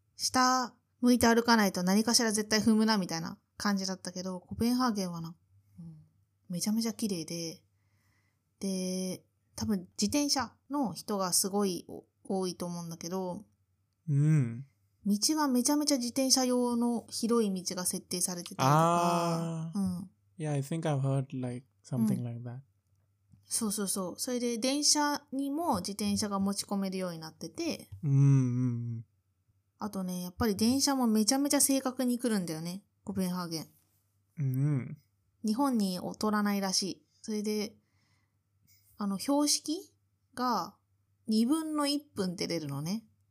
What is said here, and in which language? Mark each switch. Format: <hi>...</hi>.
<ja>下向いて歩かないと何かしら絶対踏むなみたいな感じだったけど、コペンハーゲンはな、うん、めちゃめちゃ綺麗で、で、多分自転車の人がすごい多いと思うんだけど、うん。道がめちゃめちゃ自転車用の広い道が設定されてたりとか、うん。</ja> <en>Yeah, I think I've heard like something like that.、うん、</en> <ja>そうそうそう。それで電車にも自転車が持ち込めるようになってて。うんうん。あとね、やっぱり電車もめちゃめちゃ正確に来るんだよね、コペンハーゲン。うん。日本に劣らないらしい。それで、標識が2分の1分って出るのね。</ja>